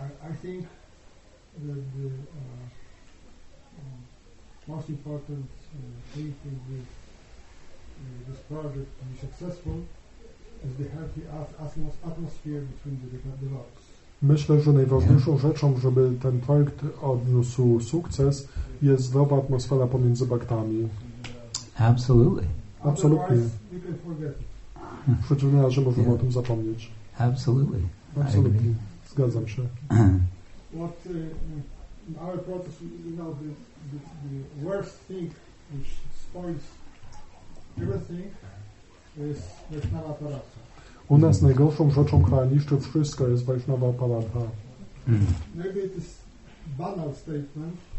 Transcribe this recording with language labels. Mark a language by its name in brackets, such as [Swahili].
[English] I think that the most important thing is that this project to be successful is the healthy atmosphere between the different devotees. [Polish] Myślę, że najważniejszą rzeczą, żeby ten projekt odniósł sukces, jest zdrowa atmosfera pomiędzy baktami. [English] Absolutely. [Polish] Absolutnie. [English] We can forget. [Polish] W przeciwnym razie możemy o tym zapomnieć. [English] Absolutely. [Polish] Absolutnie. Zgadzam się. [English] What our process, you know, the worst thing which spoils everything is Vaishnava Paratha. [Polish] U nas najgorszą rzeczą, która niszczy wszystko, jest Vaishnava Paratha. [English] Maybe it is banal statement.